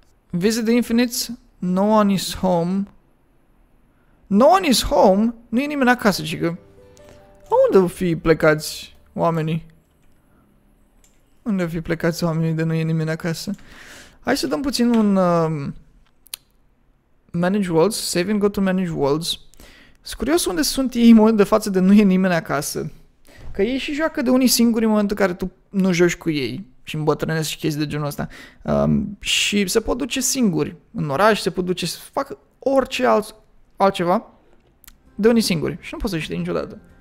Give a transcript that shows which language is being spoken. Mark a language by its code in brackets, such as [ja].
[en] Visit the Infinites, no one is home. No one is home? [ro] Nu e nimeni acasă, zic că... Unde fi plecați oamenii? Unde fi plecați oamenii de nu e nimeni acasă? Hai să dăm puțin un... [en] manage worlds, save and go to manage worlds. [ro] Sunt curios unde sunt ei în momentul de față de nu e nimeni acasă. Că ei și joacă de unii singuri în momentul în care tu nu joci cu ei. Și îmbătrânesc și chestii de genul ăsta. Și se pot duce singuri în oraș, se pot duce să facă orice altceva de unii singuri. Și nu poți să știi niciodată.